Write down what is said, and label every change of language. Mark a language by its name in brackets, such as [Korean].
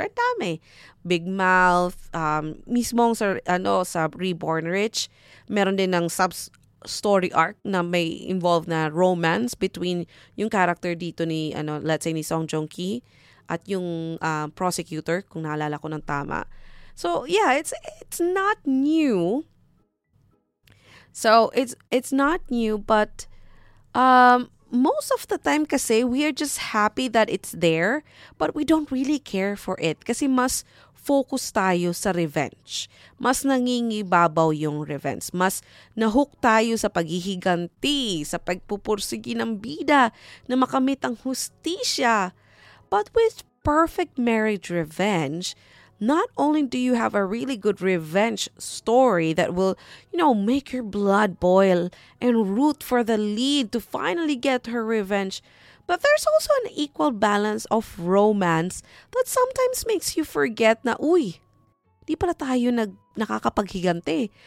[Filipino] And dami. Big Mouth, mismong sa Reborn Rich, meron din ng sub-story arc na may involve na romance between yung character dito ni, ano, let's say, ni Song Joong-ki at yung prosecutor, kung naalala ko ng tama. [English] So yeah, it's not new. So it's not new, but most of the time kasi we are just happy that it's there, but we don't really care for it kasi [Filipino] mas focus tayo sa revenge. Mas nangingibabaw yung revenge. Mas nahook tayo sa paghihiganti, sa pagpupursigi ng bida na makamit ang hustisya. [English] But with perfect marriage revenge, not only do you have a really good revenge story that will, you know, make your blood boil and root for the lead to finally get her revenge, but there's also an equal balance of romance that sometimes makes you forget [Filipino] na, uy, di pala tayo nakakapaghigante.